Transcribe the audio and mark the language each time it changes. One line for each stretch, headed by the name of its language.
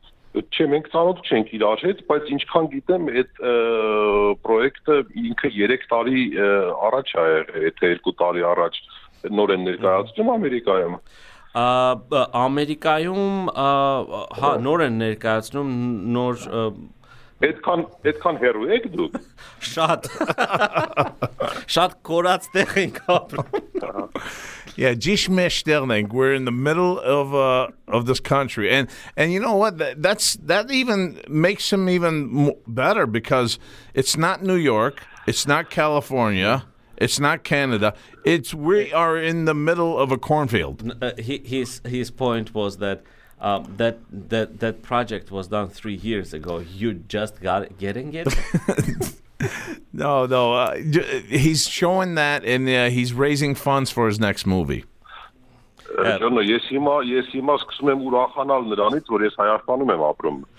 Armenian: Չէ, մենք ծանոթ չենք իրար հետ, բայց ինչքան գիտեմ, այդ պրոյեկտը ինքը 3 տարի առաջ է եղել, եթե 2 տարի առաջ նոր են ներկայացնում Ամերիկայում։ Ամերիկայում հա նոր են ներկայացնում, նոր այդքան հեռու եք դուք։ Շատ։ Շատ կորած տեղ ենք ապրում։
English: Yeah, Jish Meshterling, we're in the middle of this country. And you know what? That even makes him even better because it's not New York, it's not California, it's not Canada. It's we are in the middle of a cornfield. His point was that that project was done 3 years ago. You just got getting it? No, he's showing that and he's raising funds for his next movie.
Armenian: Ճոնո, ես հիմա սկսում եմ ուրախանալ նրանից, որ ես Հայաստանում եմ ապրում.